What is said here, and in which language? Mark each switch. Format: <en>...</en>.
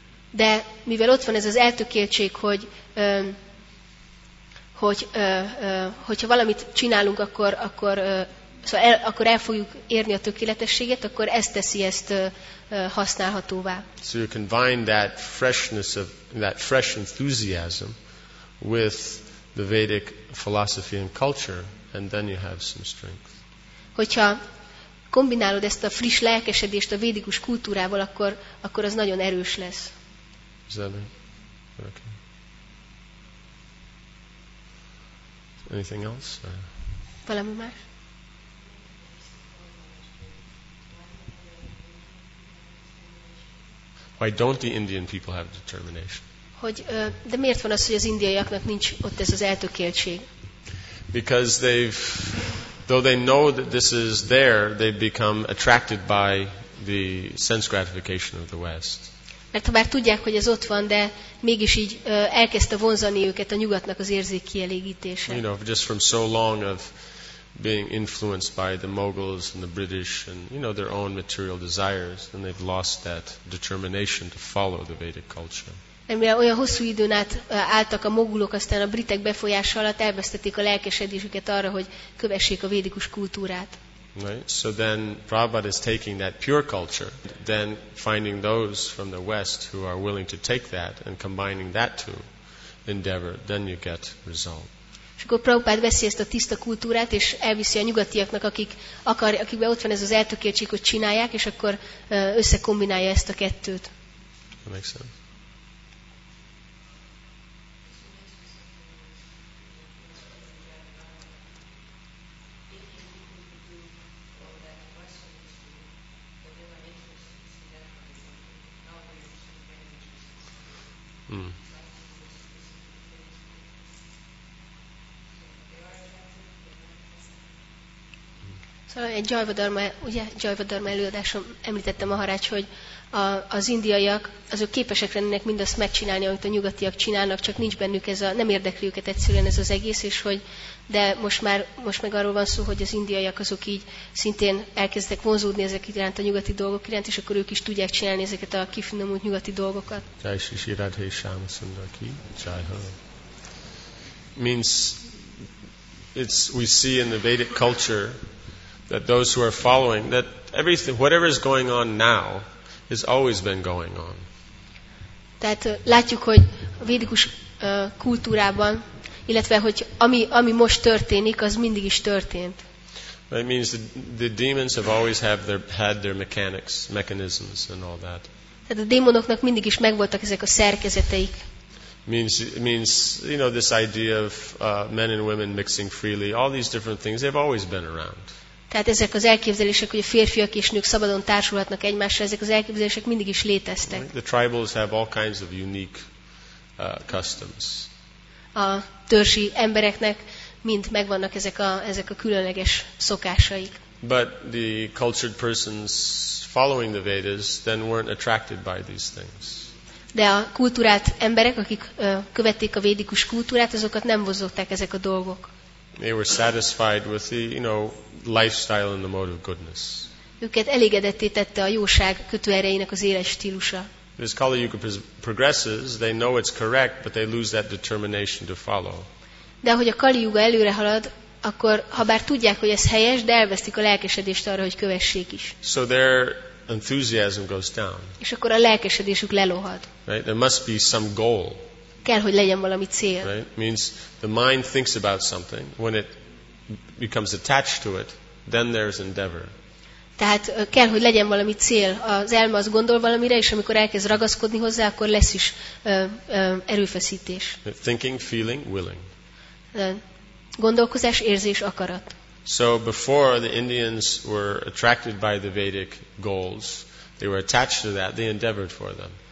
<hu>De mivel ott van ez az eltökéltség, hogyha valamit csinálunk, akkor el fogjuk érni a tökéletességet, akkor ez teszi ezt használhatóvá.</hu> <en>So you combine that freshness of that fresh enthusiasm with the Vedic philosophy and culture, and then you have some strength.</en> <hu>hogyha kombinálod ezt a friss lelkesedést a védikus kultúrával, akkor, akkor az nagyon erős lesz.</hu> <en>Okay. Anything else?</en> <hu>Valami más?</hu> <en>Why don't the Indian people have determination?</en> <hu>Hogy, de miért van az, hogy az indiaiaknak nincs ott ez az eltökéltség?</hu> <en>Because they've, though they know that this is there, they've become attracted by the sense gratification of the West.</en> <hu>Mert ha már tudják, hogy ez ott van, de mégis így elkezdte vonzani őket a nyugatnak az érzékkielégítése.</hu> <en>You know, just from so long of being influenced by the Mughals and the British and, you know, their own material desires, and they've lost that determination to follow the Vedic culture.</en> <hu>Mivel olyan hosszú időn át álltak a mogulok, aztán a britek befolyása alatt elvesztették a lelkesedésüket arra, hogy kövessék a védikus kultúrát.</hu> <en>Right. So then Prabhupada is taking that pure culture, then finding those from the West who are willing to take that and combining that to endeavor, then you get result.</en> <hu>És akkor Prabhupád veszi ezt a tiszta kultúrát, és elviszi a nyugatiaknak, akik akar, akikben ott van ez az eltökéltség, hogy csinálják, és akkor összekombinálja ezt a kettőt.</hu> <en>That makes sense.</en> <hu>Szóval egy Jajvadarma, ugye Jajvadarma előadáson említettem a harács, hogy a, az indiaiak, azok képesek lennének mindazt megcsinálni, amit a nyugatiak csinálnak, csak nincs bennük ez a, nem érdekli őket egyszerűen ez az egész, és hogy, de most már, most meg arról van szó, hogy az indiaiak azok így szintén elkezdtek vonzódni ezek iránt a nyugati dolgok iránt, és akkor ők is tudják csinálni ezeket a kifinomult nyugati dolgokat.</hu> <hi>Jai Sisi Radhe Shama Sundarki, Jai Ho.</hi> <en>Means, it's, we see in the Vedic culture that those who are following, that everything, whatever is going on now, has always been going on.</en> <hu>Tehát látjuk, hogy a védikus kultúrában, illetve hogy ami, ami most történik, az mindig is történt.</hu> <en>It means that the demons have always have their, had their mechanics, mechanisms and all that.</en> <hu>Tehát a démonoknak mindig is megvoltak ezek a szerkezeteik.</hu> <en>Means you know, this idea of men and women mixing freely, all these different things, they've always been around.</en> <hu>Tehát ezek az elképzelések, hogy a férfiak és nők szabadon társulhatnak egymásra, ezek az elképzelések mindig is léteztek.</hu> <en>The tribals have all kinds of unique customs.</en> <hu>A törzsi embereknek mind megvannak ezek a, ezek a különleges szokásaik.</hu> <en>But the cultured persons following the Vedas then weren't attracted by these things.</en> <hu>De a kultúrát emberek, akik követték a védikus kultúrát, azokat nem vonzották ezek a dolgok.</hu> <en>They were satisfied with the, you know, lifestyle and the mode of goodness.</en> <hu>Őket elégedetté tette a jóság kötőerejének az életstílusa.</hu> <en>As Kali Yuga progresses, they know it's correct, but they lose that determination to follow.</en> <hu>De ahogy a Kali Yuga előre halad, akkor ha bár tudják, hogy ez helyes, de elvesztik a lelkesedést arra, hogy kövessék is.</hu> <en>So their enthusiasm goes down.</en> <hu>És akkor a lelkesedésük lelohad.</hu> <en>Right? There must be some goal.</en> <hu>Kell, hogy legyen valami cél.</hu> <en>Right? Means the mind thinks about something. When it becomes attached to it, then there's endeavor.</en> <hu>Tehát kell, hogy legyen valami cél. Az elme az gondol valamire, és amikor elkezd ragaszkodni hozzá, akkor lesz is erőfeszítés.</hu> <en>Thinking, feeling, willing.</en> <hu>Gondolkozás, érzés, akarat.</hu> <en>So before the Indians were attracted by the Vedic goals, they were attached to that, they endeavored for them.</en>